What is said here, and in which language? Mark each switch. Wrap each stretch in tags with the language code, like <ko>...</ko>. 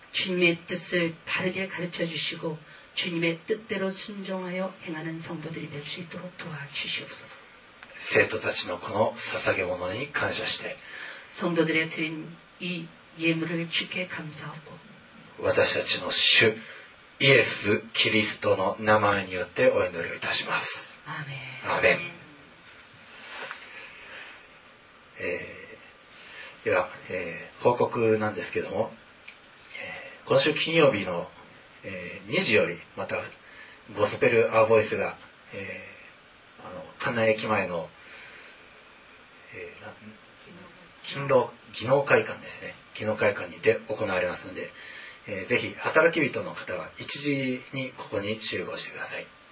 <ko>주님의 뜻을 바르게 가르쳐주시고 주님의 뜻대로 순종하여 행하는 성도들이 될 수 있도록 도와주시옵소서</ko> <ja>生徒たちのこの捧げ物に感謝して</ja> <ko>성도들의 드린 이 예물을 주께 감사하고</ko> <ja>私たちの主イエス・キリストの名前によってお祈りをいたします。アーメン、アーメン。では、報告なんですけども、今週金曜日の、2時よりまたゴスペル・アーボイスが、あの神奈駅前の、技能会館ですね、技能会館にて行われますので、ぜひ働き人の方は1時にここに集合してください。</ja>